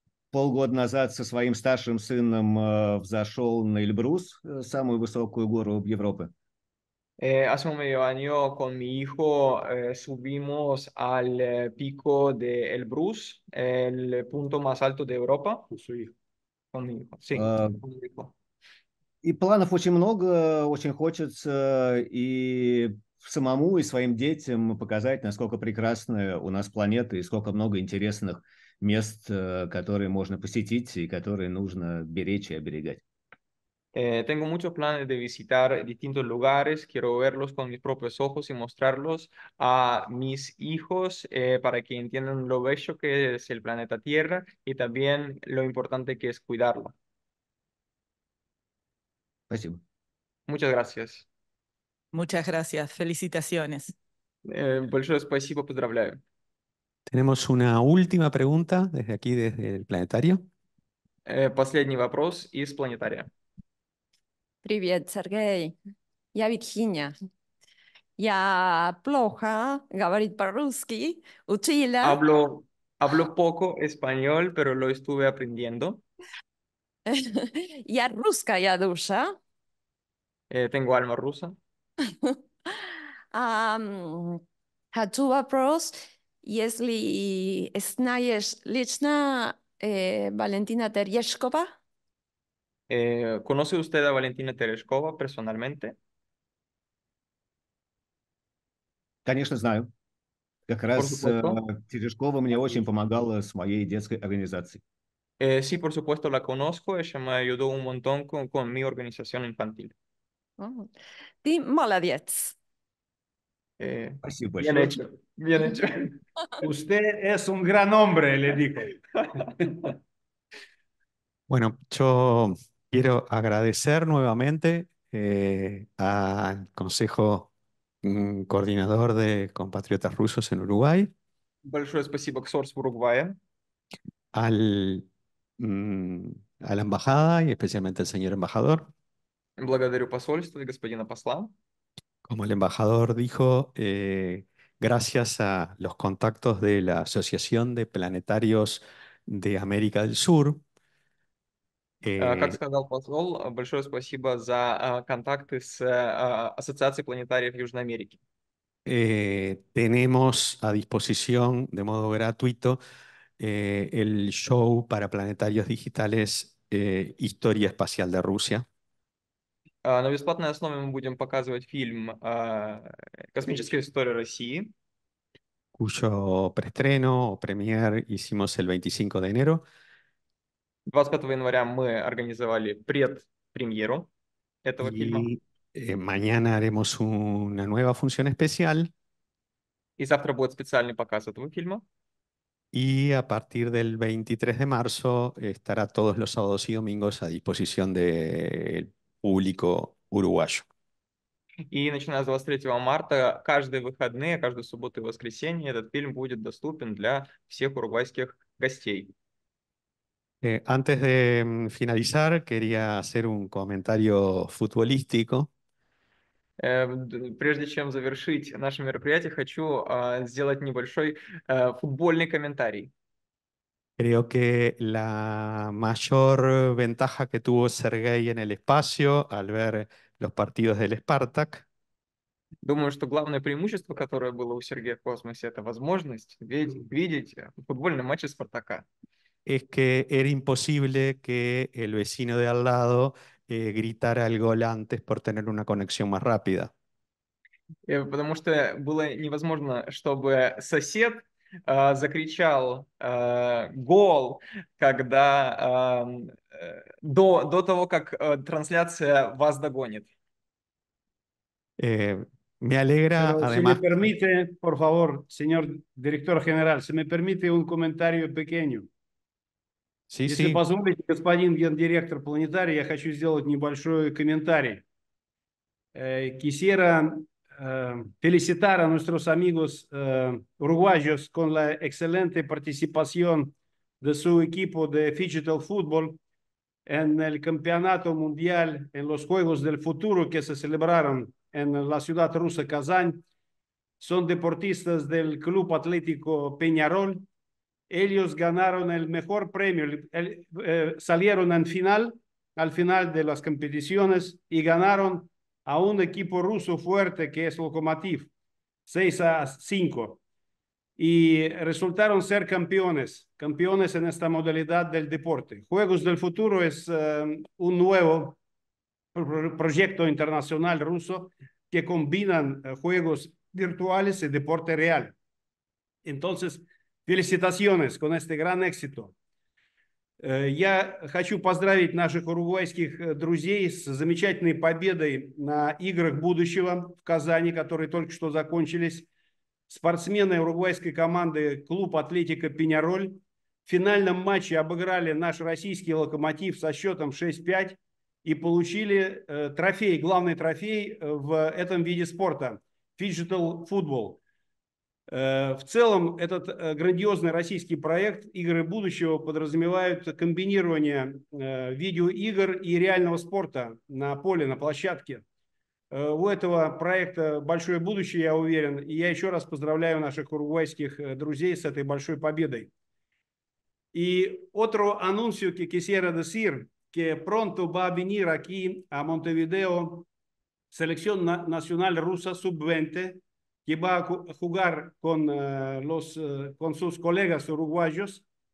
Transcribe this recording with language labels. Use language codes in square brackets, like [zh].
[ru] Полгода назад со своим старшим сыном взошел на Эльбрус, самую высокую гору в Европе. [es] Hace un medio año con mi hijo subimos al pico de Elbrus, el punto más alto de Europa. Con mi hijo, sí. [ru] И планов очень много, очень хочется и самому, и своим детям показать, насколько прекрасная у нас планета, и сколько много интересных мест, которые можно посетить, и которые нужно беречь и оберегать. [es] Tengo muchos planes de visitar distintos lugares. Quiero verlos con mis propios ojos y mostrarlos a mis hijos para que entiendan lo bello que es el planeta Tierra y también lo importante que es cuidarlo. [ru] Спасибо. [es] Muchas gracias. Muchas gracias. Felicitaciones. [ru] Большое спасибо. Поздравляю. [es] Tenemos una última pregunta desde aquí, desde el planetario. [ru] Последний вопрос из планетария. Привет, Сергей. Я Вирджиния. Я плохо говорит по-русски. Учила. [es] Hablo poco español, pero lo estuve aprendiendo. [ru] Я русская душа. [es] Tengo alma rusa. [ru] Хочу вопрос. Если знаешь лично Валентина Терешкова? [es] ¿Conoce usted a Valentina Tereshkova personalmente? [ru] Конечно, знаю. Как раз Терешкова мне очень помогала с моей детской организацией. [es] Sí, por supuesto, la conozco. Ella me ayudó un montón con mi organización infantil. [ru] Ты молодец. Спасибо большое. [es] Bien hecho. Bien hecho. Usted es un gran hombre, le digo. Bueno, yo quiero agradecer nuevamente al Consejo Coordinador de Compatriotas Rusos en Uruguay. [ru] Большое спасибо, Ксорс, в Уругвае. [es] A la embajada y especialmente al señor embajador. [ru] Благодарю посольство и господина посла. [es] Como el embajador dijo, gracias a los contactos de la Asociación de Planetarios de América del Sur. [ru] Как сказал посол, большое спасибо за контакты с Ассоциацией планетариев Южной Америки. [es] Tenemos a disposición de modo gratuito el show para planetarios digitales Historia Espacial de Rusia. [ru] На бесплатной основе мы будем показывать фильм «Космическая история России», [es] cuyo preestreno o premier hicimos el 25 de enero. [ru] 25 января мы организовали предпремьеру этого фильма. [es] Mañana haremos una nueva función especial. [ru] И завтра будет специальный показ этого фильма. [es] Y a partir del 23 de marzo estará todos los sábados y domingos a disposición del público uruguayo. [ru] И начиная с 23 марта, каждые выходные, каждую субботу и воскресенье этот фильм будет доступен для всех уругвайских гостей. [es] Antes de finalizar, quería hacer un comentario futbolístico. [ru] Прежде чем завершить наше мероприятие, хочу сделать небольшой футбольный комментарий. [es] Creo que la mayor ventaja que tuvo Sergei en el espacio al ver los partidos del Spartak. [ru] Думаю, что главное преимущество, которое было у Сергея в космосе, это возможность видеть футбольный матч Спартака. [es] es que era imposible que el vecino de al lado gritara el gol antes por tener una conexión más rápida. [ru] Потому что было невозможно, чтобы сосед закричал гол, когда до того, как трансляция вас догонит. [es] Me alegra, Pero, además. Si me permite, por favor, señor director general, si me permite un comentario pequeño. Sí, [ru] Если позволите, господин гендиректор планетарий, я хочу сделать небольшой комментарий. [es] Quisiera felicitar a nuestros amigos uruguayos con la excelente participación de su equipo de Digital Football en el campeonato mundial en los Juegos del Futuro que se celebraron en la ciudad rusa Kazán. Son deportistas del club atlético Peñarol. Ellos ganaron el mejor premio, salieron en final, al final de las competiciones y ganaron a un equipo ruso fuerte que es Lokomotiv, 6-5. Y resultaron ser campeones en esta modalidad del deporte. Juegos del Futuro es un nuevo proyecto internacional ruso que combinan juegos virtuales y deporte real. Entonces, felicitaciones con este gran éxito. [ru] Я хочу поздравить наших уругвайских друзей с замечательной победой на играх будущего в Казани, которые только что закончились. Спортсмены уругвайской команды клуб «Атлетика Пеньяроль» в финальном матче обыграли наш российский «Локомотив» со счетом 6-5 и получили трофей, главный трофей в этом виде спорта – «Digital Football». В целом, этот грандиозный российский проект «Игры будущего» подразумевает комбинирование видеоигр и реального спорта на поле, на площадке. У этого проекта большое будущее, я уверен, и я еще раз поздравляю наших уругвайских друзей с этой большой победой. И [es] otro anuncio que quisiera decir, que pronto va a venir aquí a Montevideo selección nacional rusa sub-20, que va a jugar con sus colegas uruguayos.